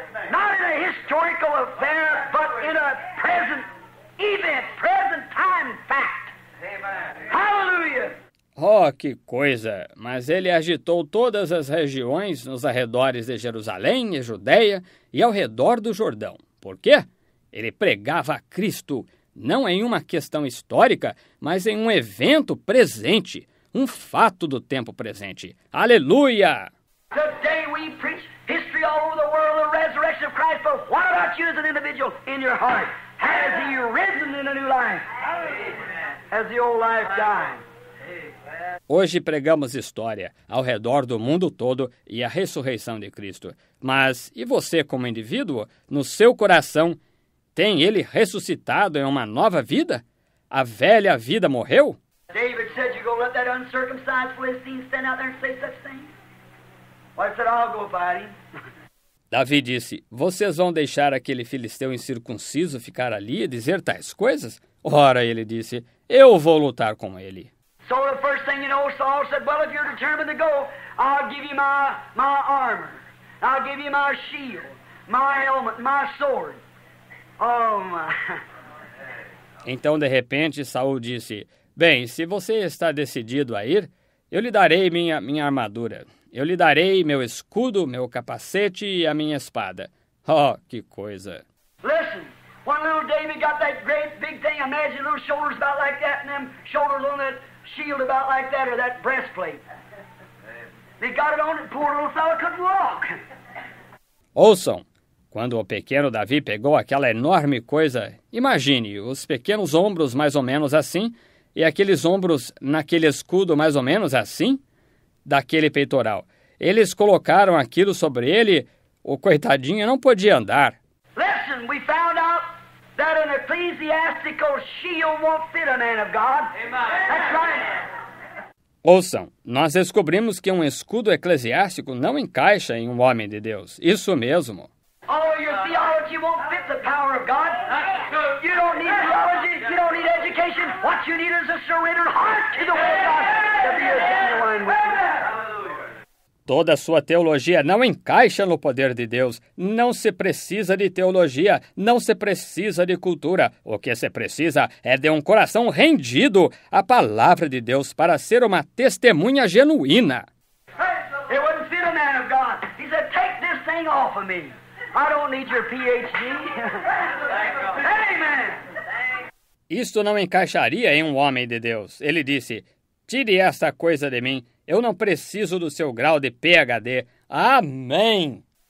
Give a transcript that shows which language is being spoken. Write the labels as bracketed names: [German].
[English] Not in a historical affair, but in a present event, present time fact. Hallelujah! [Portuguese] Oh, que coisa! Mas ele agitou todas as regiões nos arredores de Jerusalém e Judéia e ao redor do Jordão. Por quê? Ele pregava a Cristo, não em uma questão histórica, mas em um evento presente, um fato do tempo presente. Aleluia! [English] The day we preach history all over the world, the resurrection of Christ, but what about you as an individual in your heart? Has he risen in a new life? Has the old life died? [Portuguese] Hoje pregamos história ao redor do mundo todo e a ressurreição de Cristo. Mas e você como indivíduo, no seu coração, tem ele ressuscitado em uma nova vida? A velha vida morreu? [English] David said you go let that uncircumcised Philistine stand out there and say such things. Well, I said, I'll go by him. [Portuguese] Davi disse, vocês vão deixar aquele filisteu incircunciso ficar ali e dizer tais coisas? Ora, ele disse, eu vou lutar com ele. [English] So the first thing you know, Saul said, well, if you're determined to go, I'll give you my armor. I'll give you my shield, my helmet, my sword. Oh, my. [Portuguese] Então, de repente, Saul disse, bem, se você está decidido a ir, eu lhe darei minha armadura. Eu lhe darei meu escudo, meu capacete e a minha espada. Oh, que coisa. [English] Listen. When little David got that great big thing, imagine little shoulders about like that and them shoulders on that shield about like that or that breastplate. They got it on and poor little fella couldn't walk. [Portuguese] Ouçam, quando o pequeno Davi pegou aquela enorme coisa, imagine os pequenos ombros mais ou menos assim e aqueles ombros naquele escudo mais ou menos assim daquele peitoral. Eles colocaram aquilo sobre ele, o coitadinho não podia andar. [English] Listen, we found out that an ecclesiastical shield won't fit a man of God. Amen. That's right. [Portuguese] Ouçam, nós descobrimos que um escudo eclesiástico não encaixa em um homem de Deus. Isso mesmo. [English] Oh, your theology won't fit the power of God. You don't need theology, you don't need education. What you need is a surrendered heart to the will of God. To be a genuine witness. [Portuguese] Toda a sua teologia não encaixa no poder de Deus. Não se precisa de teologia, não se precisa de cultura. O que se precisa é de um coração rendido à palavra de Deus para ser uma testemunha genuína. [English] It wouldn't fit a man of God. He said, take this thing off of me. I don't need your PhD. Amen. [Portuguese] Isto não encaixaria em um homem de Deus. Ele disse, tire esta coisa de mim. Eu não preciso do seu grau de PhD. Amém!